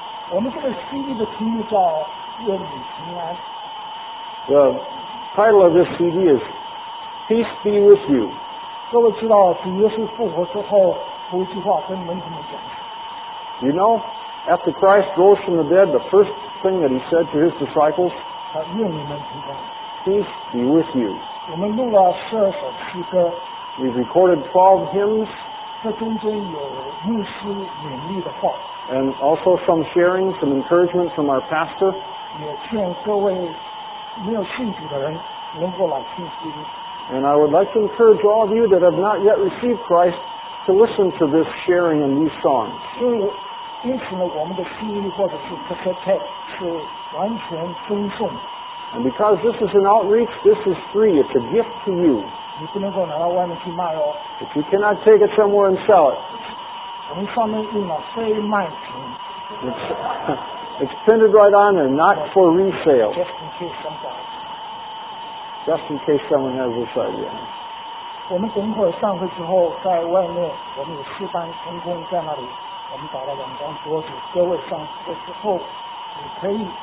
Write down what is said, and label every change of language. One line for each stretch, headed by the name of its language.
Chinese: 我们这个 CD 的题目叫《愿你平安》。
English: The title of this CD is Peace Be With You.
Chinese: 各位知道主耶稣复活之后有一句话跟门徒们讲。
English: You know, after Christ rose from the dead, the first thing that he said to his disciples,
Chinese: 愿你们平安。
English: Peace Be With You.
Chinese: 我们录了12首诗歌。
English: We've recorded 12 hymns.
Chinese: 这中间有牧师勉励的话。
English: And also some sharing, some encouragement from our pastor.
Chinese: 也劝各位没有信主的人能够来信主。
English: And I would like to encourage all of you that have not yet received Christ to listen to this sharing and these songs.
Chinese: 因此呢，我们的 CD 或者是 cassette 是完全赠送。
English: And because this is an outreach, this is free. It's a gift to you.
Chinese: 你不能够拿到外面去卖哦。
English: If you cannot take it somewhere and sell it.
Chinese: 我们上面印了非卖品。
English: It's printed right on there, not for resale. Just in case someone has this idea.
Chinese: 我们等会上会之后，在外面我们有四班空空在那里，我们找了两张桌子，各位上会之后。